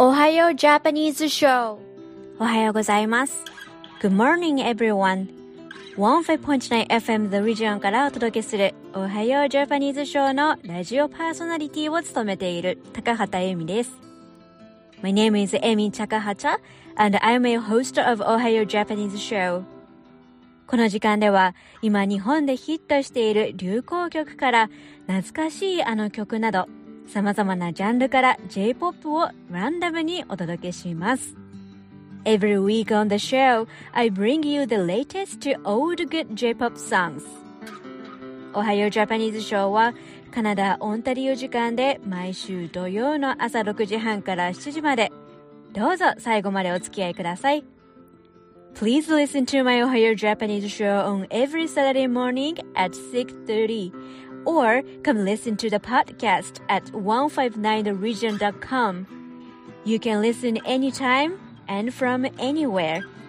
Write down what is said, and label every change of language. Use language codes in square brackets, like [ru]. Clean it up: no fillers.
[ja] おはようジャパニーズショー。おはようございます。 [en] Good morning, everyone. [ja] 15.9 FM The Region からお届けするおはようジャパニーズショーのラジオパーソナリティを務めている高畑恵美です。 [en] My name is Amy Takahata, and I'm a host of Ohio Japanese Show. [ja] この時間では、今日本でヒットしている流行曲から、懐かしいあの曲など、様々なジャンルから J-POP をランダムにお届けします。 [en] Every week on the show, I bring you the latest to old good J-POP songs. [ja] Ohio Japanese Show は、カナダ・オンタリオ時間で毎週土曜の朝6時半から7時まで。どうぞ最後までお付き合いください。 [en] Please listen to my Ohio Japanese show on every Saturday morning at 6:30 or come listen to the podcast at 159theregion.com. You can listen anytime and from anywhere.